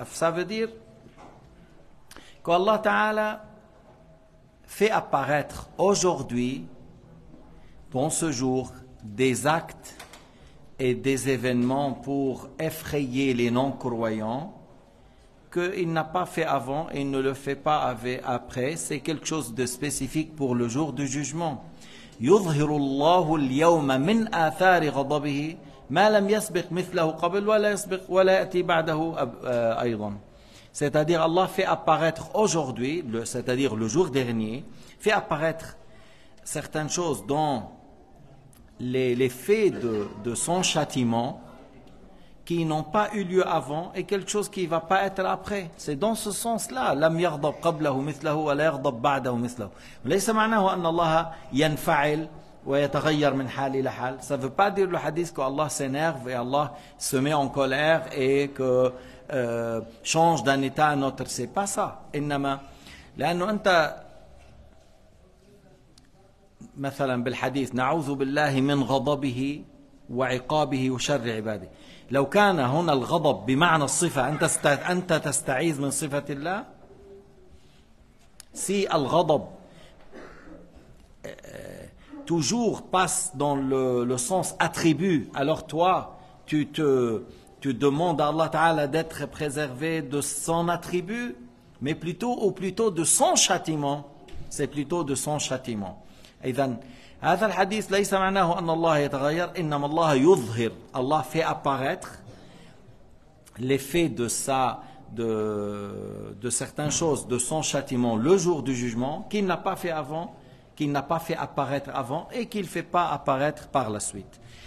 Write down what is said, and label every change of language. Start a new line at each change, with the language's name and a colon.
French: Ça veut dire qu'Allah Ta'ala fait apparaître aujourd'hui, dans ce jour, des actes et des événements pour effrayer les non-croyants qu'il n'a pas fait avant et ne le fait pas après. C'est quelque chose de spécifique pour le jour du jugement.
Arabic: يظهر الله اليوم من آثار غضبه ما لم يسبق مثله قبل ولا يسبق ولا يأتي بعده أيضا.
French: C'est-à-dire Allah fait apparaître aujourd'hui, c'est-à-dire le jour dernier, fait apparaître certaines choses dont l'effet de son châtiment qui n'ont pas eu lieu avant et quelque chose qui ne va pas être après. C'est dans ce sens-là.
Arabic: لم يغضب قبله مثله ولا يغضب بعده مثله. ليس معناه أن الله ينفعل ويتغير من حال إلى حال.
French: Ça ne veut pas dire le hadith que Allah s'énerve et Allah se met en colère et que change d'un état à un autre. C'est pas ça.
Arabic: إنما لأنه أنت مثلا بالحديث نعوذ بالله من غضبه وعقابه وشر عباده. لو كان هنا الغضب بمعنى الصفة أنت تستعيذ من صفة الله.
French: Si الغضب toujours passe dans le sens attribut, alors toi tu demandes à Allah Ta'ala d'être préservé de son attribut, mais plutôt de son châtiment. C'est plutôt de son châtiment.
Arabic: إذن هذا الحديث ليس معناه أن الله يتغير، إنما الله يظهر.
French: الله fait apparaître l'effet de ça, de certaines choses, de son châtiment, le jour du jugement, qu'il n'a pas fait avant, qu'il n'a pas fait apparaître avant et qu'il ne fait pas apparaître par la suite.